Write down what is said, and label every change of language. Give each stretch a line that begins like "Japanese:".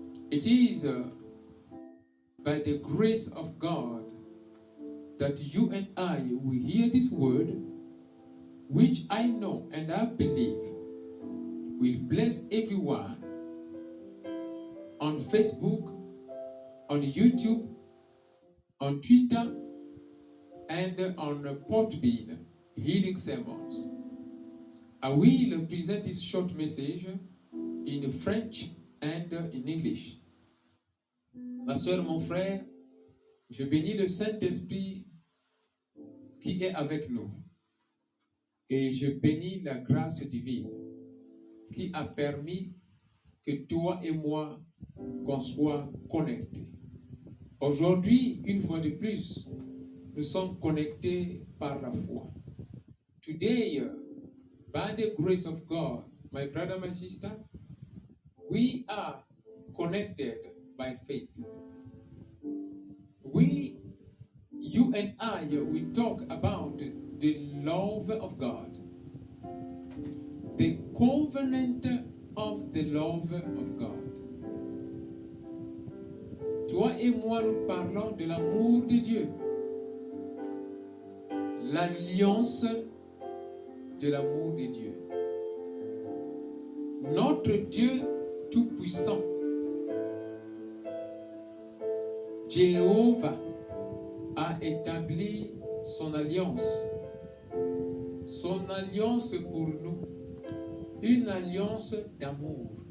English: It is by the grace of God that you and I will hear this word, which I know and I believe will bless everyone on Facebook, on YouTube, on Twitter, and on Podbean, Healing Sermons. I will present this short message in French and in English.
French: Ma soeur, mon frère, je bénis le Saint-Esprit qui est avec nous. Et je bénis la grâce divine qui a permis que toi et moi, qu'on soit connectés. Aujourd'hui, une fois de plus, nous sommes connectés par la foi.
English: Today, by the grace of God, my brother, my sister, we are connected by faith. We, you and I, we talk about the love of God, the covenant of the love of God.
French: Toi et moi, nous parlons de l'amour de Dieu. L'alliance de l'amour de Dieu. Notre Dieu Tout-Puissant, Jéhovah, a établi son alliance pour nous, une alliance d'amour.